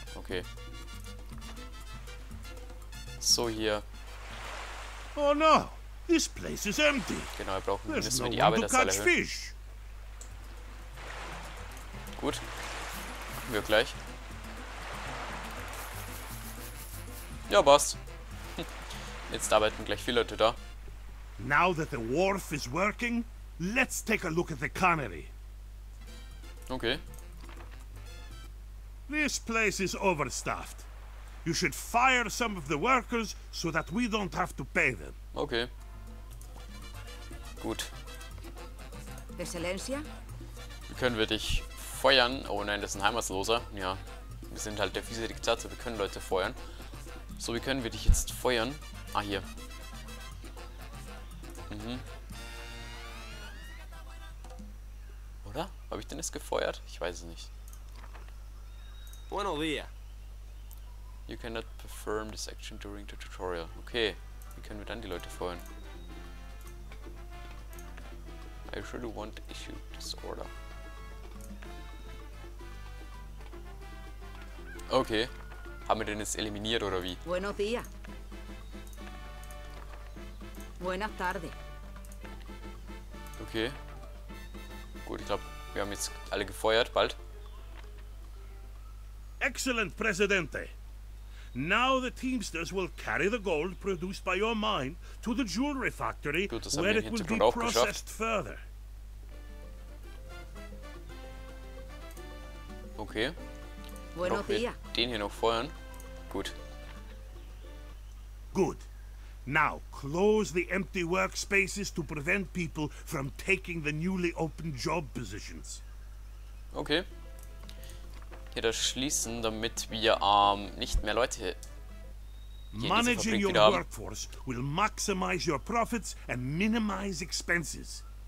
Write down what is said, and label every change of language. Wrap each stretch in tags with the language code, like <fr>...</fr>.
<de>Okay. So hier.</de> <en>Oh no, this place is empty.</en> <de>Genau, wir brauchen nur no die Arbeiterzahl erhöhen. Gut, machen wir gleich. Ja, passt. Jetzt arbeiten gleich viele Leute da.</de> <en>Now that the wharf is working, let's take a look at the cannery. Okay. This place is overstaffed. You should fire some of the workers, so that we don't have to pay them.</en> <de>Okay. Gut.</de> <es>Excelencia?</es> <de>Wie können wir dich feuern? Oh nein, das ist ein Heimatloser. Ja, wir sind halt der fiese Diktator, wir können Leute feuern. So, wie können wir dich jetzt feuern? Ah, hier. Mhm. Oder? Habe ich denn jetzt gefeuert? Ich weiß es nicht.</de> <es>Buenos dias.</es> <en>You cannot perform this action during the tutorial.</en> <de>Okay, wie können wir dann die Leute feuern?</de> <en>I really want to issue this order.</en> <de>Okay, haben wir den jetzt eliminiert oder wie?</de> <es>Buenos días. Buenas tardes. Okay.</es> <de>Gut, ich glaube, wir haben jetzt alle gefeuert, bald.</de> <en>Excellent, Presidente. Now the Teamsters will carry the gold produced by your mine to the jewelry factory,</en> <de>gut,</de> <en>where it will be processed further. Okay.</en> <es>Buenos dias.</es> <de>Den hier noch feuern. Gut.</de> <en>Good. Now close the empty workspaces to prevent people from taking the newly opened job positions. Okay.</en> <de>Hier das schließen, damit wir nicht mehr Leute hier in dieser Fabrik wieder haben.</de> <en>Managing your workforce will maximize your profits and minimize expenses.</en>